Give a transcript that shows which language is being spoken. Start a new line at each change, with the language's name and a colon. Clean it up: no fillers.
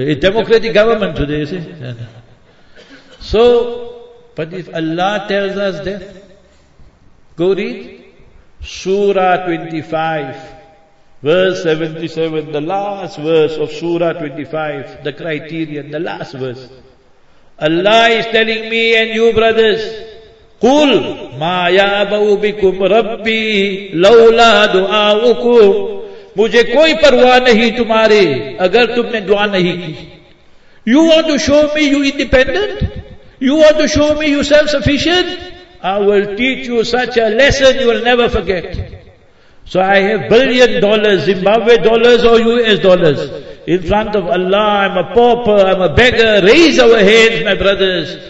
English: A democratic government today, you see? So, but if Allah tells us that, go read Surah 25, verse 77, the last verse of Surah 25, the criterion, the last verse. Allah is telling me and you, brothers,
Arabic: قُلْ مَا يَعْبَوْ بِكُمْ رَبِّي لَوْ لَا دُعَاؤُكُمْ.
Urdu: مجھے کوئی پرواہ نہیں تمہارے اگر تم نے دعا نہیں کی.
English: You want to show me you independent? You want to show me you self-sufficient? I will teach you such a lesson you will never forget. So I have $1 billion, Zimbabwe dollars or US dollars. In front of Allah, I'm a pauper, I'm a beggar. Raise our hands, my brothers.